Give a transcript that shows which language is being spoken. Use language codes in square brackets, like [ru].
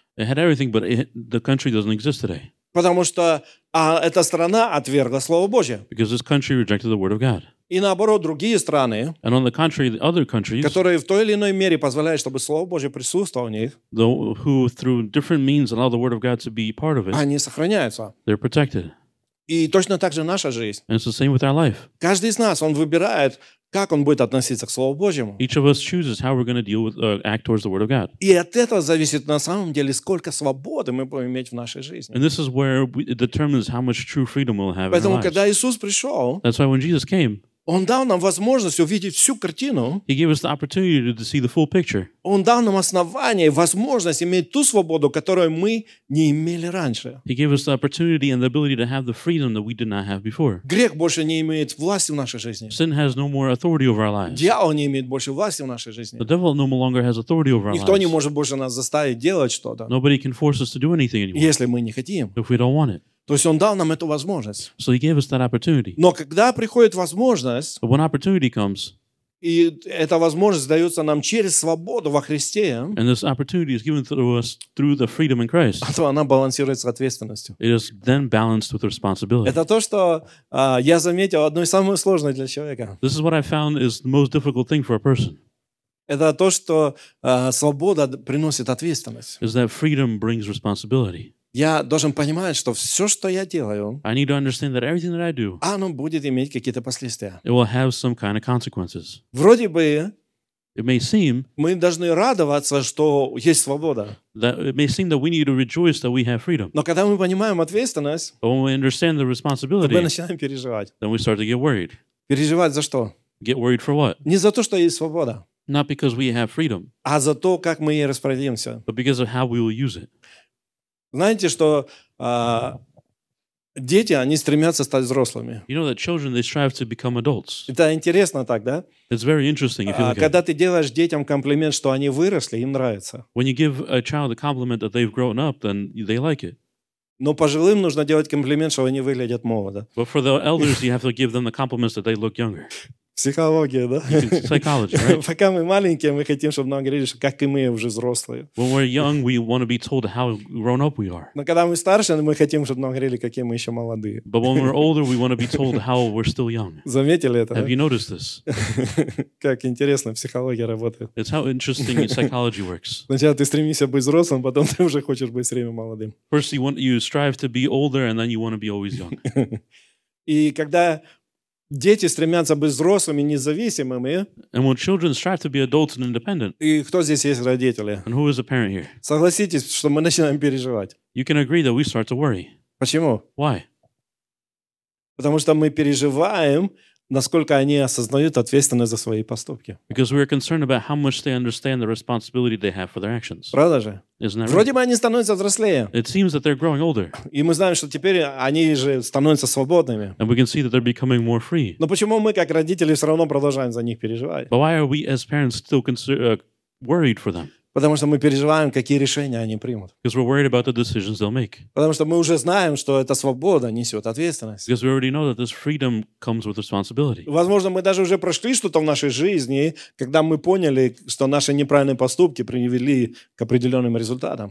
[en] It had everything, but the country doesn't exist today. [ru] Потому что эта страна отвергла Слово Божие. [en] Because this country rejected the Word of God. [ru] И наоборот, другие страны, [en] and on the contrary, the other countries, [ru] которые в той или иной мере позволяют, чтобы Слово Божие присутствовало в них, [en] who through different means allow the Word of God to be part of it, [ru] они сохраняются. [en] They're protected. [ru] И точно так же наша жизнь. [en] And it's the same with our life. [ru] Каждый из нас, он выбирает, как он будет относиться к Слову Божьему. [en] Each of us chooses how we're going to deal with, act towards the Word of God. [ru] И от этого зависит на самом деле, сколько свободы мы будем иметь в нашей жизни. [en] And this is where it determines how much true freedom we'll have. [ru] Поэтому, [en] in our lives. [ru] Когда Иисус пришел, [en] that's why when Jesus came, [ru] он дал нам возможность увидеть всю картину. [en] He gave us the opportunity to see the full picture. [ru] Он дал нам основание и возможность иметь ту свободу, которую мы не имели раньше. [en] He gave us the opportunity and the ability to have the freedom that we did not have before. [ru] Грех больше не имеет власти в нашей жизни. [en] Sin has no more authority over our lives. [ru] Дьявол не имеет больше власти в нашей жизни. [en] The devil no longer has authority over our [ru] Никто [en] lives. [ru] Не может больше нас заставить делать что-то. [en] Nobody can force us to do anything anymore. [ru] Если мы не хотим. [en] If we don't want it. [ru] То есть он дал нам эту возможность. [en] So he gave us that opportunity. [ru] Но когда приходит возможность, [en] but when opportunity comes, [ru] и эта возможность дается нам через свободу во Христе, [en] and this opportunity is given through us through the freedom in Christ, [ru] то она балансируется ответственностью. [en] It is then balanced with responsibility. [ru] Это то, что я заметил одно из самых сложных для человека. [en] This is what I found is the most difficult thing for a person. [ru] Это то, что свобода приносит ответственность. [en] Is that freedom brings responsibility. [ru] Я должен понимать, что все, что я делаю, [en] I need to understand that everything that I do, [ru] оно будет иметь какие-то последствия. [en] It will have some kind of consequences. [ru] Вроде бы, [en] it may seem, [ru] мы должны радоваться, что есть свобода. [en] That it may seem that we need to rejoice that we have freedom. [ru] Но когда мы понимаем ответственность, [en] but when we understand the responsibility, [ru] то мы начинаем переживать. [en] Then we start to get worried. [ru] Переживать за что? [en] Get worried for what? [ru] Не за то, что есть свобода. [en] Not because we have freedom. [ru] А за то, как мы ей распорядимся. [en] But because of how we will use it. [ru] Знаете, что дети, они стремятся стать взрослыми. [en] You know that children, they strive to become adults. [ru] Это интересно так, да? [en] It's very interesting, if you look [ru] когда ты делаешь детям комплимент, что они выросли, им нравится. [en] When you give a child a compliment that they've grown up, then they like it. [ru] Но пожилым нужно делать комплимент, что они выглядят молодо. [en] But for the elders, you have to give them the compliments that they look younger. [ru] Психология, да? [en] Psychology, right? [ru] Пока мы маленькие, мы хотим, чтобы нам говорили, что как и мы уже взрослые. [en] When we're young, we want to be told how grown up we are. [ru] Но когда мы старше, мы хотим, чтобы нам говорили, какие мы еще молодые. [en] But when we're older, we want to be told how we're still young. [ru] Заметили это? [en] Have you noticed this? [ru] Как интересно психология работает. [en] It's how interesting psychology works. [ru] Сначала ты стремишься быть взрослым, потом ты уже хочешь быть все время молодым. [en] First you strive to be older, and then you want to be always young. [ru] И когда дети стремятся быть взрослыми, независимыми. [en] And when children strive to be adults and independent. [ru] И кто здесь есть родители? [en] And who is a parent here? [ru] Согласитесь, что мы начинаем переживать. [en] You can agree that we start to worry. [ru] Почему? [en] Why? [ru] Потому что мы переживаем, насколько они осознают ответственность за свои поступки. [en] Because we are concerned about how much they understand the responsibility they have for their actions. [ru] Правда же? [en] Isn't that [ru] Вроде [en] right? [ru] бы они становятся взрослее. [en] It seems that they're growing older. [ru] И мы знаем, что теперь они же становятся свободными. [en] And we can see that they're becoming more free. [ru] Но почему мы как родители все равно продолжаем за них переживать? [en] But why are we as parents still worried for them? [ru] Потому что мы переживаем, какие решения они примут. [en] Because we're worried about the decisions they'll make. [ru] Потому что мы уже знаем, что эта свобода несет ответственность. [en] Because we already know that this freedom comes with responsibility. [ru] Возможно, мы даже уже прошли что-то в нашей жизни, когда мы поняли, что наши неправильные поступки привели к определенным результатам.